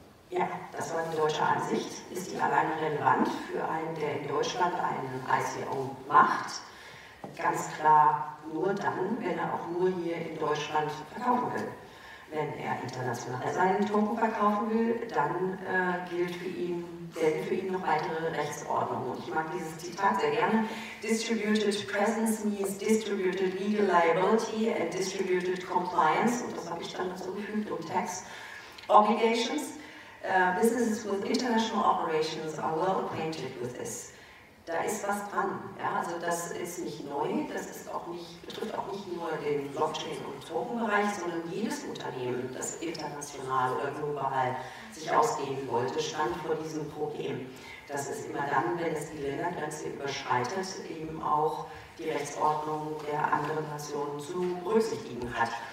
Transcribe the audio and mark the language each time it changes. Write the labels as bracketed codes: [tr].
[de] Ja, das war die deutsche Ansicht. Ist die alleine relevant für einen, der in Deutschland einen ICO macht? Ganz klar nur dann, wenn er auch nur hier in Deutschland verkaufen will. Wenn er international seinen Token verkaufen will, dann gelten für ihn noch weitere Rechtsordnungen. Und ich mag dieses Zitat sehr gerne. [en] Distributed presence means distributed legal liability and distributed compliance. [de] Und das habe ich dann dazu gefügt, um Tax Obligations. [en] Businesses with international operations are well acquainted with this. [de] Da ist was dran. Ja, also das ist nicht neu, das ist auch nicht, betrifft auch nicht nur den Blockchain- und Tokenbereich, sondern jedes Unternehmen, das international oder global sich ausdehnen wollte, stand vor diesem Problem. Das ist immer dann, wenn es die Ländergrenze überschreitet, eben auch die Rechtsordnung der anderen Nationen zu berücksichtigen hat.